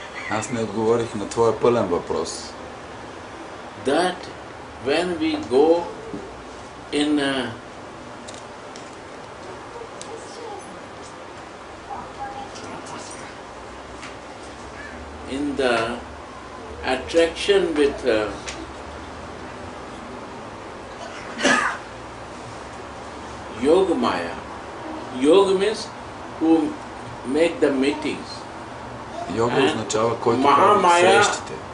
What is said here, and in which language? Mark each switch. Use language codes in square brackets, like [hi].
[bg] Аз не отговорих на твоя пълен въпрос. [en] That when we go in a in the attraction with a yoga maya. Yoga means who make the meetings. [bg] Йога означава който прави срещите.